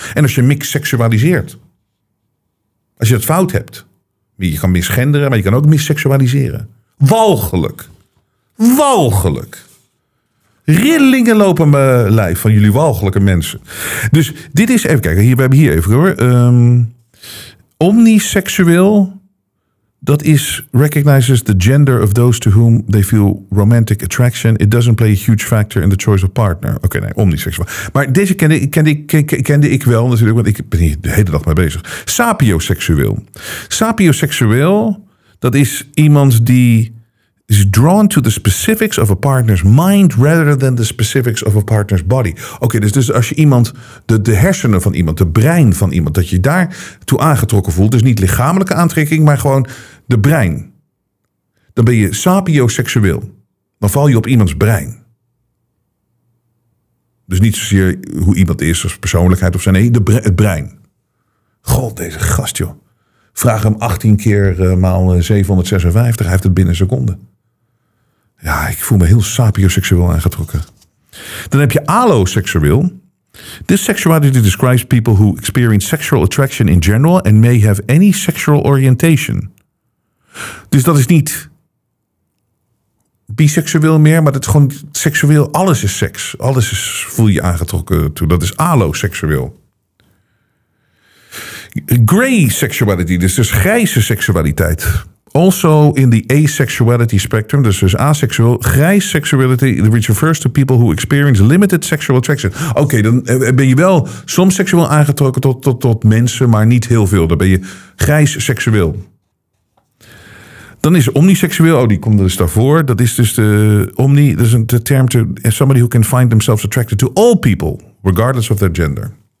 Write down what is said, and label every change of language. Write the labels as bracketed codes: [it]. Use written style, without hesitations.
[nl] En als je mixseksualiseert. Als je het fout hebt. Je kan misgenderen, maar je kan ook misseksualiseren. Walgelijk. Walgelijk. Rillingen lopen mijn lijf van jullie walgelijke mensen. Dus dit is, even kijken, hier, we hebben hier even hoor. Omniseksueel, dat is [en] recognizes the gender of those to whom they feel romantic attraction. It doesn't play a huge factor in the choice of partner. [nl] Oké, nee, omniseksueel. Maar deze kende ik wel natuurlijk, want ik ben hier de hele dag mee bezig. Sapioseksueel. Sapioseksueel, dat is iemand die [en] is drawn to the specifics of a partner's mind rather than the specifics of a partner's body. [nl] Oké, dus als je iemand, de hersenen van iemand, de brein van iemand, dat je daar toe aangetrokken voelt, dus niet lichamelijke aantrekking, maar gewoon de brein. Dan ben je sapioseksueel. Dan val je op iemands brein. Dus niet zozeer hoe iemand is als persoonlijkheid of zijn, nee, het brein. God, deze gast, joh. Vraag hem 18 keer maal 756, hij heeft het binnen een seconde. Ja, ik voel me heel sapioseksueel aangetrokken. Dan heb je aloseksueel. [en] This sexuality describes people who experience sexual attraction in general and may have any sexual orientation. [nl] Dus dat is niet biseksueel meer, maar dat is gewoon seksueel. Alles is seks. Alles is, voel je aangetrokken toe. Dat is aloseksueel. [en] Gray sexuality, [nl] dus grijze seksualiteit. [en] Also in the asexuality spectrum, [nl] dus [en] asexual, grijs sexuality, which refers to people who experience limited sexual attraction. [nl] Oké, dan ben je wel soms seksueel aangetrokken tot mensen, maar niet heel veel. Dan ben je grijs seksueel. Dan is omniseksueel, oh, die komt dus daarvoor. Dat is dus de omni, dat is een term [en] to somebody who can find themselves attracted to all people, regardless of their gender.